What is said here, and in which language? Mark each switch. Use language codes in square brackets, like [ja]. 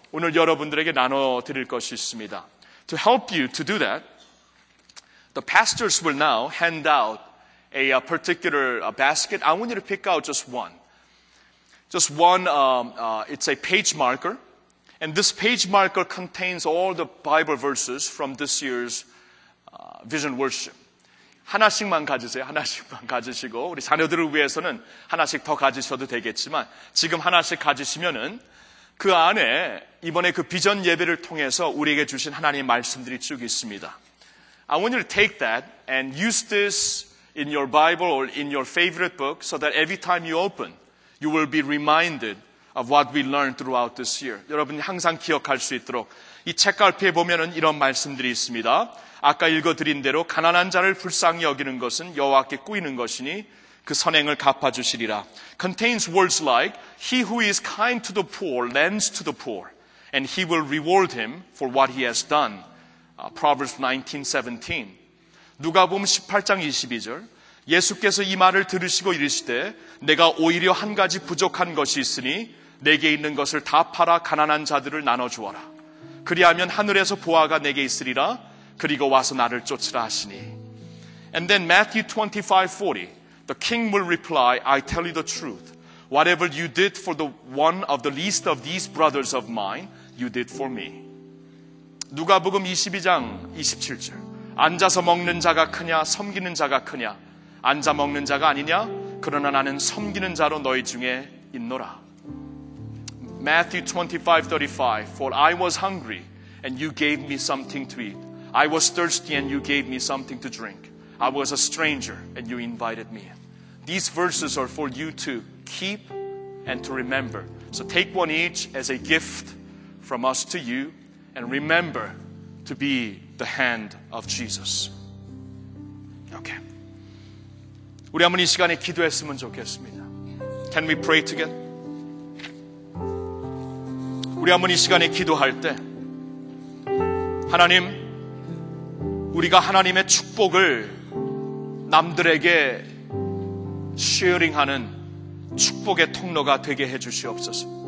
[ko] 오늘 여러분들에게 나눠드릴 것이 있습니다. [en] To help you to do that, the pastors will now hand out a particular basket. I want you to pick out just one. Just one, it's a page marker. And this page marker contains all the Bible verses from this year's Vision Worship. [ko] 하나씩만 가지세요. 하나씩만 가지시고 우리 자녀들을 위해서는 하나씩 더 가지셔도 되겠지만 지금 하나씩 가지시면은 그 안에 이번에 그 비전 예배를 통해서 우리에게 주신 하나님의 말씀들이 쭉 있습니다. [en] I want you to take that and use this in your Bible or in your favorite book so that every time you open, you will be reminded of what we learned throughout this year. [ko] 여러분이 항상 기억할 수 있도록 이 책갈피에 보면은 이런 말씀들이 있습니다. 아까 읽어드린 대로 가난한 자를 불쌍히 여기는 것은 여호와께 꾸이는 것이니 그 선행을 갚아주시리라. [en] Contains words like, He who is kind to the poor lends to the poor, and he will reward him for what he has done. Proverbs 19:17. [ko] 누가복음 18장 22절. 예수께서 이 말을 들으시고 이르시되, 내가 오히려 한 가지 부족한 것이 있으니 내게 있는 것을 다 팔아 가난한 자들을 나눠주어라. 그리하면 하늘에서 보화가 내게 있으리라. 그리고 와서 나를 쫓으라 하시니. [en] And then Matthew 25:40, the king will reply, I tell you the truth. Whatever you did for the one of the least of these brothers of mine, you did for me. [ko] 누가복음 22장 27절. 앉아서 먹는 자가 크냐, 섬기는 자가 크냐? 앉아 먹는 자가 아니냐? 그러나 나는 섬기는 자로 너희 중에 있노라. [en] Matthew 25:35, for I was hungry and you gave me something to eat. I was thirsty and you gave me something to drink. I was a stranger and you invited me in. These verses are for you to keep and to remember. So take one each as a gift from us to you and remember to be the hand of Jesus. Okay. [ko] 우리 한번 이 시간에 기도했으면 좋겠습니다. [en] Can we pray together? [ko] 우리 한번 이 시간에 기도할 때 하나님 우리가 하나님의 축복을 남들에게 쉐어링하는 축복의 통로가 되게 해주시옵소서.